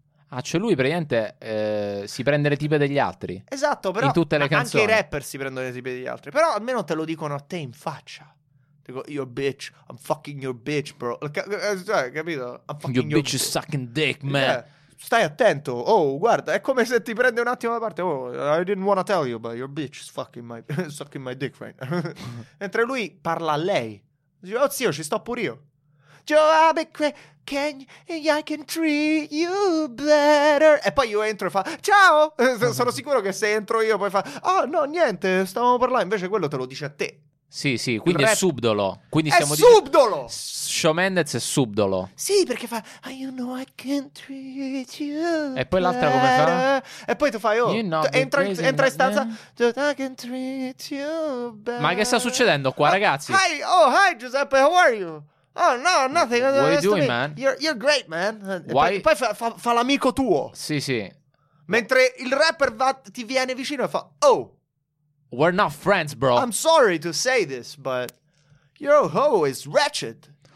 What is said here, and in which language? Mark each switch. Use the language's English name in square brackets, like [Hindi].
[Italian] Ah, cioè lui praticamente si prende le tipe degli altri. Esatto, però in tutte le canzoni. Anche i rapper si prendono le tipe degli altri. Però almeno te lo dicono a te in faccia. Dico, [English] your bitch, I'm fucking your bitch, bro. [Italian] Cioè, capito? [English] I'm fucking your bitch is sucking dick, man. [Italian] Stai attento. Oh, guarda, è come se ti prende un attimo da parte. [English] Oh, I didn't wanna tell you, but your bitch is fucking my sucking my dick, right? [Italian] Mentre lui parla a lei. Dico, oh zio, ci sto pure io. [English] I can treat you better. [Italian] E poi io entro e fa ciao. Sono sicuro che se entro io poi fa oh no, niente, stavamo parlando. Invece quello te lo dice a te. Sì, quindi è subdolo. Quindi è subdolo. Shawn Mendes è subdolo. Sì, perché fa [English] you know I can treat you. [Italian] E poi l'altra come fa? E poi tu fai oh, entra in stanza. [English] I can treat you better. [Italian] Ma che sta succedendo qua, ragazzi? [English] Hi, oh hi Giuseppe, how are you? Oh no, nothing. What are you doing, man? You're great, man. Why? [Italian] Poi fa l'amico tuo. Sì. Mentre il rapper ti viene vicino e fa oh, [English] we're not friends, bro. I'm sorry to say this, but your hoe is wretched.